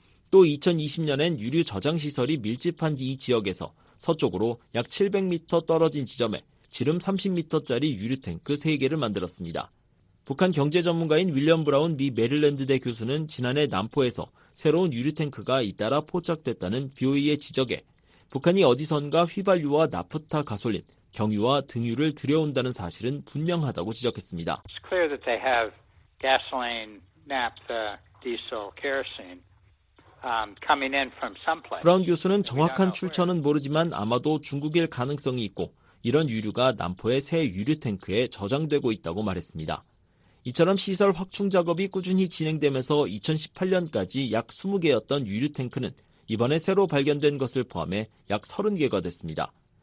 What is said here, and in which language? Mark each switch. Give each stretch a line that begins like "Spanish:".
Korean: 또 2020년엔 유류 저장시설이 밀집한 이 지역에서 서쪽으로 약 700m 떨어진 지점에 지름 30m짜리 유류탱크 3개를 만들었습니다. 북한 경제 전문가인 윌리엄 브라운 미 메릴랜드대 교수는 지난해 남포에서 새로운 유류탱크가 잇따라 포착됐다는 BOE의 지적에 북한이 어디선가 휘발유와 나프타 가솔린, 경유와 등유를 들여온다는 사실은 분명하다고 지적했습니다.
English: It's clear that they have gasoline, naphtha, diesel, kerosene. Coming in from someplace.
Korean: 브라운 교수는 정확한 출처는 모르지만 아마도 중국일 가능성이 있고 이런 유류가 남포의 새 유류탱크에 저장되고 있다고 말했습니다. 이처럼 시설 확충 작업이 꾸준히 진행되면서 2018년까지 약 20개였던 유류탱크는 이번에 새로 발견된 것을 포함해 약 30개가 됐습니다.